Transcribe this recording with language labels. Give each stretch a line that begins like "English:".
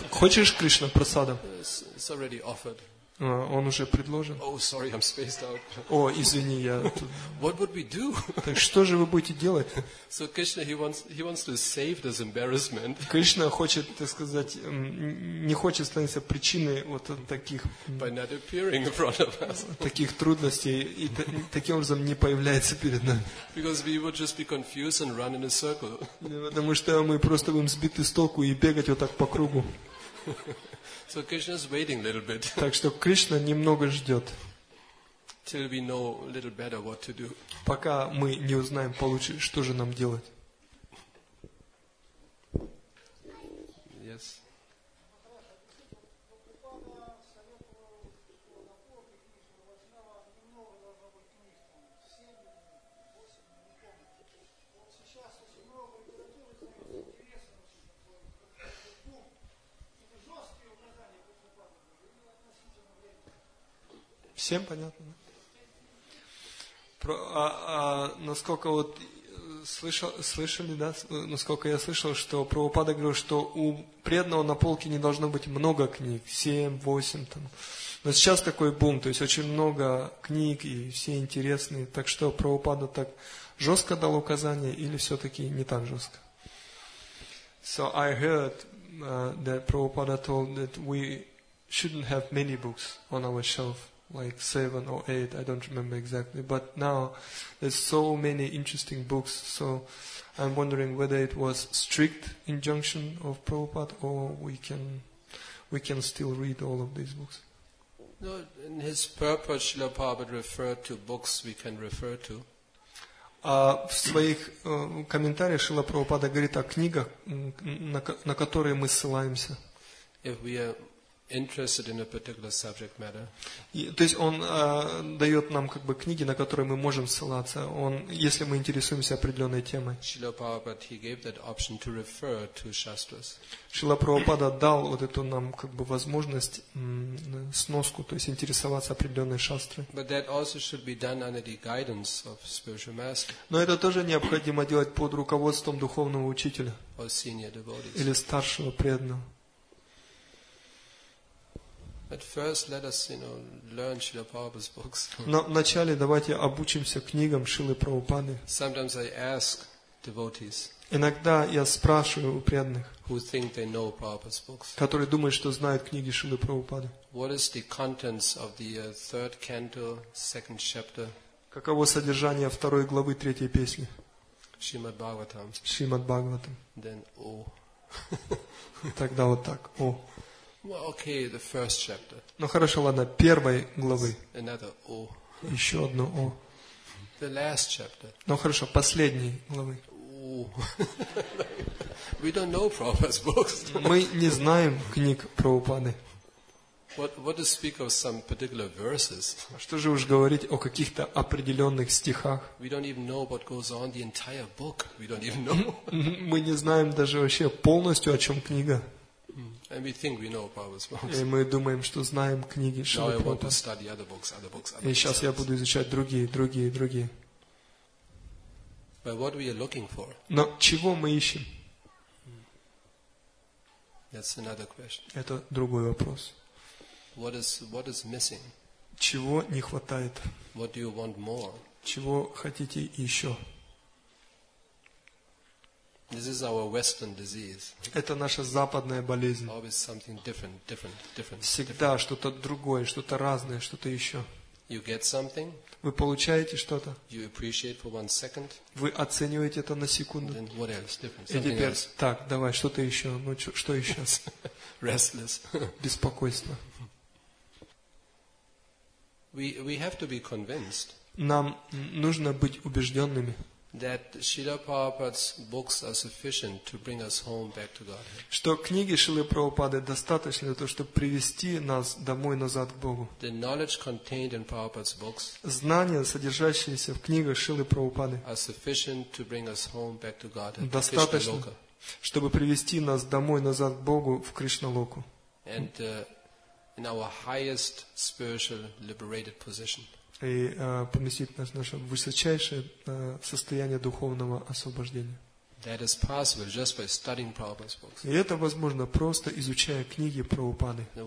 Russian: Хочешь Кришна прасадом?
English: It's already offered.
Russian: Он уже предложен.
English: Oh, sorry, I'm spaced out.
Russian: О, извини, я.
English: What would we do?
Russian: Так что же вы будете делать?
English: So Krishna, he wants to save this embarrassment.
Russian: Кришна хочет, так сказать, не хочет становиться причиной вот таких.
English: By not appearing in front of us.
Russian: Таких трудностей и таким образом не появляется перед нами.
English: Because we would just be confused and run in a circle.
Russian: Потому что мы просто будем сбиты с толку и бегать вот так по кругу.
English: So Krishna is waiting a little bit.
Russian: Так что Кришна немного ждет.
English: Till we know a little better what to do.
Russian: Пока мы не узнаем получше, что же нам делать.
English: Yes.
Russian: Всем понятно, да? Насколько вот слышали, да, насколько я слышал, что Прабхупада говорил, что у преданного на полке не должно быть много книг, 7-8 там. Но сейчас такой бум, то есть очень много книг и все интересные. Так что Прабхупада так жестко дал указание или все-таки не так жестко?
English: So I heard that Prabhupada told that we shouldn't have many books on our shelf. Like 7 or 8, I don't remember exactly. But now there's so many interesting books, so I'm wondering whether it was strict injunction of Prabhupada or we can still read all of these books. No, in his purport, Srila Prabhupada referred to books we can refer to.
Russian: В своих комментариях Шрила Прабхупада говорит о книгах, на которые мы ссылаемся.
English: If we are interested in a particular subject matter.
Russian: То есть он дает нам как бы книги, на которые мы можем ссылаться, он, если мы интересуемся определенной темой.
English: Srila Prabhupada, he gave that option to refer to shastras.
Russian: Srila Prabhupada дал вот эту нам как бы возможность сноску, то есть интересоваться определенной шастрой.
English: But that also should be done under the guidance of spiritual master.
Russian: Но это тоже необходимо делать под руководством духовного учителя.
English: Or senior devotees.
Russian: Или старшего преданного.
English: At first, let us, you know, learn Srila Prabhupada's books.
Russian: Но вначале давайте обучимся книгам Шрилы Прабхупады.
English: Sometimes I ask devotees.
Russian: Иногда я спрашиваю у преданных.
English: Who think they know Prabhupada's books?
Russian: Которые думают, что знают книги Шрилы Прабхупады.
English: What is the contents of the third canto, second chapter?
Russian: Каково содержание второй главы третьей песни? Шримад Бхагаватам. Шримад Бхагаватам.
English: Then oh.
Russian: Тогда вот так. О.
English: Well, okay, the first chapter.
Russian: Ну хорошо, ладно, первой главы.
English: Another O.
Russian: Еще одно О.
English: The last chapter.
Russian: Ну хорошо, последней главы.
English: We don't know Prabhupada's books.
Russian: Мы не знаем книг Прабхупады.
English: What to speak of some particular verses?
Russian: Что же уж говорить о каких-то определенных стихах?
English: We don't even know what goes on the entire book. We don't even know.
Russian: Мы не знаем даже вообще полностью, о чем книга.
English: And we think we know Prabhupada's books.
Russian: И мы думаем, что знаем книги Шрилы Прабхупады.
English: Now I want to study other books.
Russian: И сейчас я буду изучать другие.
English: But what we are looking for?
Russian: Но чего мы ищем?
English: That's another question.
Russian: Это другой вопрос.
English: What is missing?
Russian: Чего не хватает?
English: What do you want more?
Russian: Чего хотите еще?
English: This is our Western disease.
Russian: Это наша западная болезнь.
English: Always something different.
Russian: Всегда что-то другое, что-то разное, что-то еще.
English: You get something.
Russian: Вы получаете что-то.
English: You appreciate for one second.
Russian: Вы оцениваете это на секунду.
English: Then what else? Different.
Russian: И теперь, так, давай, что-то еще. Ну, что еще?
English: Restless.
Russian: Беспокойство.
English: We have to be convinced.
Russian: Нам нужно быть убежденными.
English: That Srila Prabhupada's books are sufficient to bring us home back to Godhead.
Russian: Что книги Шрилы Прабхупады достаточно для того, чтобы привести нас домой назад к Богу.
English: The knowledge contained in Prabhupada's books.
Russian: Знания, содержащиеся в книгах Шрилы Прабхупады.
English: Are sufficient to bring us home back to Godhead.
Russian: Достаточно чтобы привести нас домой назад к Богу в Кришналоку.
English: And in our highest spiritual liberated position.
Russian: И поместить нас в наше высочайшее состояние духовного освобождения.
English: That is possible just by studying Prabhupada's books.
Russian: И это возможно просто изучая книги Прабхупады.